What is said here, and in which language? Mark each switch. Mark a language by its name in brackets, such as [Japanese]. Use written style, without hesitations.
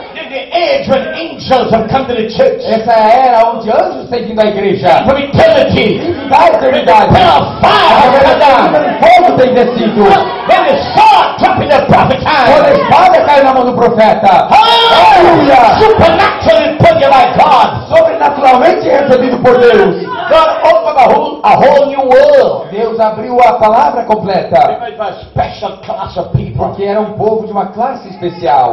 [English] The age when angels have come to the church. [Portuguese] Essa é a era onde anjos têm vindo à igreja. [English] From eternity. [Portuguese] Da eternidade. Fogo tem descido. [English] When the sword dropped in the prophet's hand. [Portuguese] Quando a espada caiu na mão do profeta. [English] Aleluia! Supernaturally put you by God. [Portuguese] Sobrenaturalmente recebido por Deus. [English] God opened a whole new world. [Portuguese] Deus abriu a palavra completa. [English] A special class of people. [Portuguese] Porque era um povo de uma classe especial.